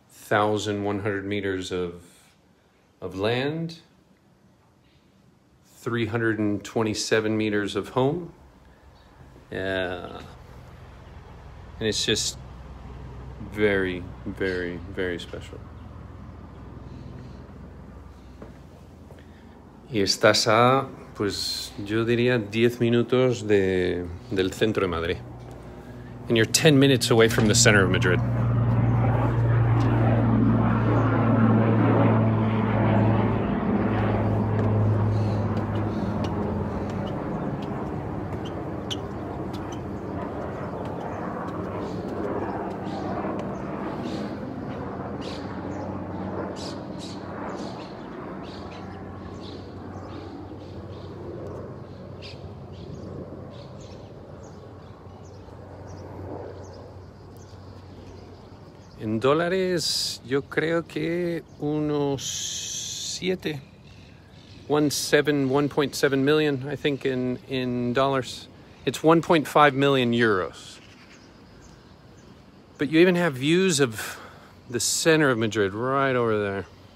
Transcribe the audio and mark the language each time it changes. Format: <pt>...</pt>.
<en>...1,100 meters of land, 327 meters of home. And it's just very, very, very special.</en> <es>Y estás a, pues yo diría 10 minutos del centro de Madrid.</es> <en>And you're 10 minutes away from the center of Madrid.</en> <es>En dólares, yo creo que unos 7.</es> <en>1.7 million, I think, in dollars. It's 1.5 million euros. But you even have views of the center of Madrid right over there.</en>